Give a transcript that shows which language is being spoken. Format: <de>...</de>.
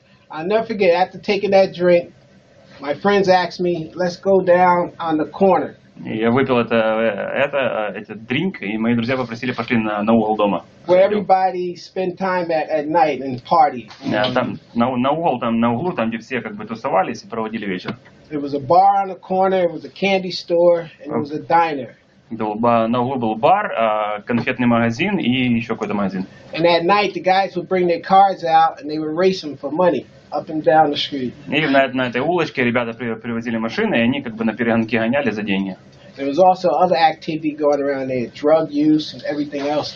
<en>I'll never forget, after taking that drink, my friends asked me, let's go down on the corner.</en> <ru>Я выпил этот дринк, и мои друзья попросили, пошли на угол дома.</ru> <en>Where everybody spend time at night and party.</en> <ru>На углу, там, где все как бы тусовались и проводили вечер.</ru> <en>It was a bar on the corner, it was a candy store, and it was a diner.</en> <ru>На углу был бар, конфетный магазин и еще какой-то магазин.</ru> <en>And at night, the guys would bring their cars out, and they would race them for money. Up and down the street.</en> <ru>И на этой улочке ребята привозили машины, и они как бы на перегонки гоняли за деньги.</ru> <en>There was also other activity going around there, drug use and everything else.</en>